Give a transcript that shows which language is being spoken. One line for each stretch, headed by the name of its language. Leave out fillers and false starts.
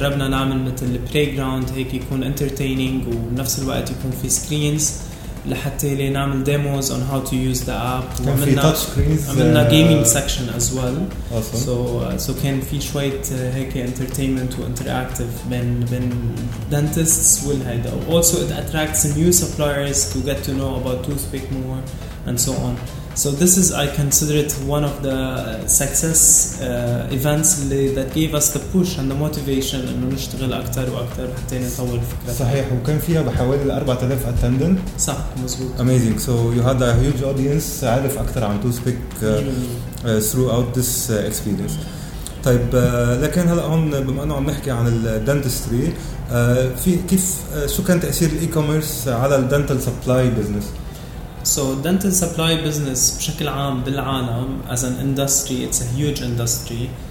Arabic: جربنا نعمل مثل
English: playground
Arabic: هيك يكون
English: entertaining
Arabic: ونفس الوقت يكون في
English: screens
Arabic: لحتى لنعمل
English: demos on how to use the app.
Arabic: عملنا touch screens, عملنا
English: gaming section as well. Awesome.
Arabic: So كان في شوية هيك
English: entertainment
Arabic: و
English: interactive
Arabic: بين dentists والهيدا.
English: Also it attracts new suppliers to get to know about Toothpick more and so on. So this is, I consider it one of the success events that gave us the push and the motivation
Arabic: إنه نشتغل أكتر وأكتر حتى نطور الفكرة. صحيح, وكان فيها بحوالي 4000
English: attendant.
Arabic: صح, مزبوط.
English: Amazing. So you had a huge audience
Arabic: عارف أكتر عن
English: Toothpick throughout this experience.
Arabic: طيب لكن هلا هون بما انه عم نحكي عن الدنتستري, في كيف شو كان تأثير الإيكوميرس على الدنتال سبلاي بزنس؟
English: So dental supply business
Arabic: بشكل عام بالعالم
English: as an industry it's a huge industry.